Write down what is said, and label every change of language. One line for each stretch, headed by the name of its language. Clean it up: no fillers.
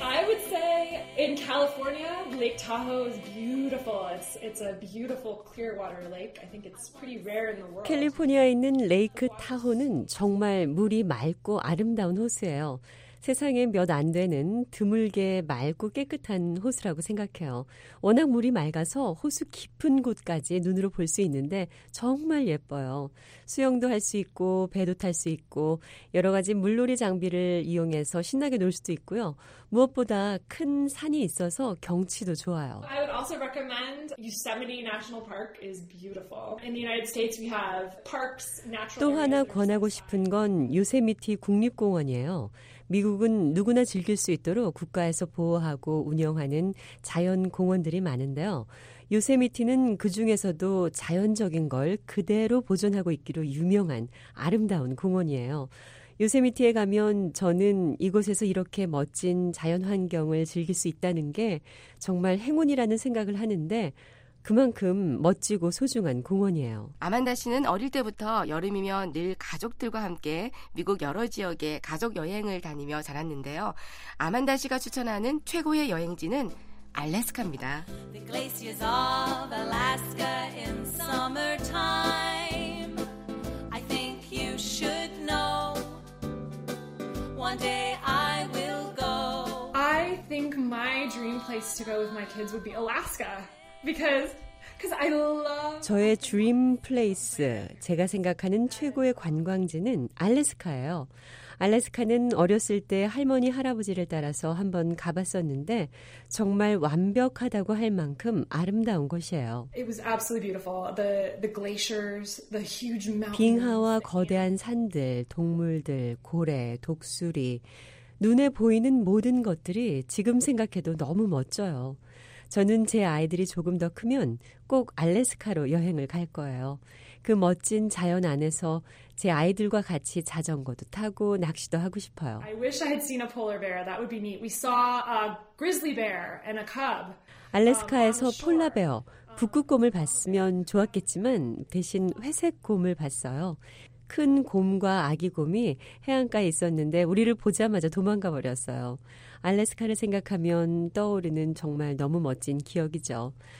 English: I would say in California, Lake Tahoe is beautiful. It's a beautiful clear water lake. I think it's pretty rare in the world.
Korean: 캘리포니아에 있는 레이크 타호는 정말 물이 맑고 아름다운 호수예요. 세상에 몇 안 되는 드물게 맑고 깨끗한 호수라고 생각해요. 워낙 물이 맑아서 호수 깊은 곳까지 눈으로 볼 수 있는데 정말 예뻐요. 수영도 할 수 있고 배도 탈 수 있고 여러 가지 물놀이 장비를 이용해서 신나게 놀 수도 있고요. 무엇보다 큰 산이 있어서 경치도 좋아요.
English: I would also recommend Yosemite National Park is beautiful. In the United States, we have parks, natural.
Korean: 또 하나 권하고 싶은 건 요세미티 국립공원이에요. 미국은 누구나 즐길 수 있도록 국가에서 보호하고 운영하는 자연 공원들이 많은데요. 요세미티는 그 중에서도 자연적인 걸 그대로 보존하고 있기로 유명한 아름다운 공원이에요. 요세미티에 가면 저는 이곳에서 이렇게 멋진 자연 환경을 즐길 수 있다는 게 정말 행운이라는 생각을 하는데 그만큼 멋지고 소중한 공원이에요. 아만다 씨는 어릴 때부터 여름이면 늘 가족들과 함께 미국 여러 지역에 가족 여행을 다니며 자랐는데요. 아만다 씨가 추천하는 최고의 여행지는 알래스카입니다.
English: The glaciers of Alaska in summertime. I think you should know. One day I will go. I think my dream place to go with my kids would be Alaska. Because I love
Korean: 저의
English: 드림 플레이스,
Korean: 제가 생각하는 최고의 관광지는 알래스카예요. 알래스카는 어렸을 때 할머니, 할아버지를 따라서 한번 가봤었는데 정말 완벽하다고 할 만큼 아름다운 곳이에요.
English: It was absolutely beautiful. The glaciers, the huge mountains.
Korean: 빙하와 거대한 산들, 동물들, 고래, 독수리, 눈에 보이는 모든 것들이 지금 생각해도 너무 멋져요. 저는 제 아이들이 조금 더 크면 꼭 알래스카로 여행을 갈 거예요. 그 멋진 자연 안에서 제 아이들과 같이 자전거도 타고 낚시도 하고 싶어요.
English: I wish I had seen a polar bear. That would be neat. We saw a grizzly bear and a cub.
Korean: 알래스카에서 폴라베어, 북극곰을 봤으면 좋았겠지만 대신 회색곰을 봤어요. 큰 곰과 아기 곰이 해안가에 있었는데 우리를 보자마자 도망가 버렸어요. 알래스카를 생각하면 떠오르는 정말 너무 멋진 기억이죠.